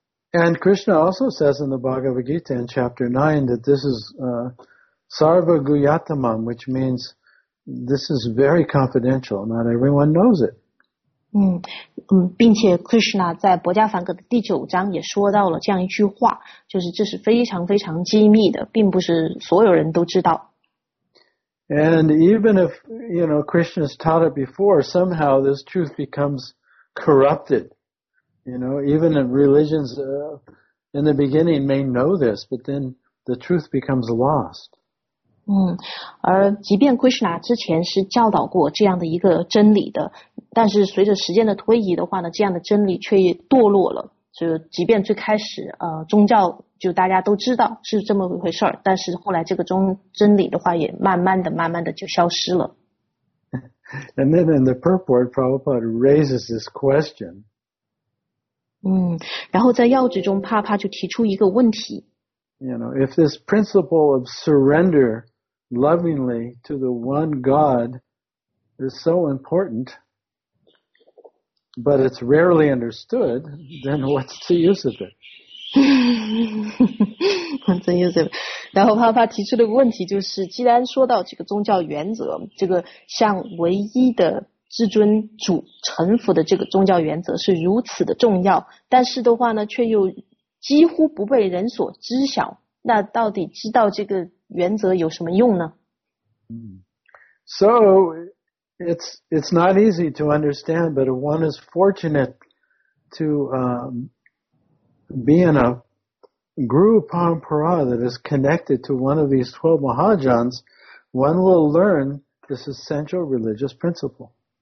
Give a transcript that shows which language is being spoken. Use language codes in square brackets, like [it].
[en] And Krishna also says in the Bhagavad Gita in chapter 9 that this is sarva guyatamam, which means this is very confidential. Not everyone knows it. [zh] 并且 Krishna 在薄伽梵歌的第九章也说到了这样一句话，就是这是非常非常机密的，并不是所有人都知道。 [en] And even if, you know, Krishna's taught it before, somehow this truth becomes corrupted. You know, even in religions, in the beginning may know this, but then the truth becomes lost. [zh] 而即便 Krishna 之前是教导过这样的一个真理的，但是随着时间的推移的话呢，这样的真理却堕落了。就即便最开始，宗教就大家都知道是这么一回事儿，但是后来这个真理的话也慢慢的就消失了。 [en] And then in the purport, Prabhupada raises this question. [zh] 然后在要旨中帕帕就提出一个问题。 [en] You know, if this principle of surrender lovingly to the one God is so important, but it's rarely understood, then what's the use of it? What's the use of it? [zh] 然后帕帕提出的问题就是，既然说到这个宗教原则，这个像唯一的至尊主臣服的这个宗教原则是如此的重要，但是的话呢，却又几乎不被人所知晓。那到底知道这个原则有什么用呢？ [en] So it's not easy to understand, but if one is fortunate to be in a Guru Parampara that is connected to one of these 12 Mahajans, one will learn this essential religious principle.